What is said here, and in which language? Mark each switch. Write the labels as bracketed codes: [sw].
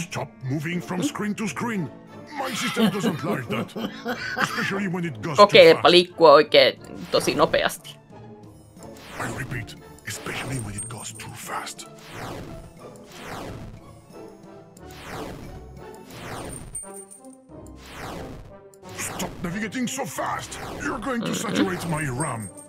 [en] Stop moving from screen to screen. My system doesn't like that. Especially when it goes too fast. [fi] Kokeilepa liikkua oikein tosi nopeasti. [en] I repeat, especially when it goes too fast. Stop navigating so fast. You're going to saturate my RAM.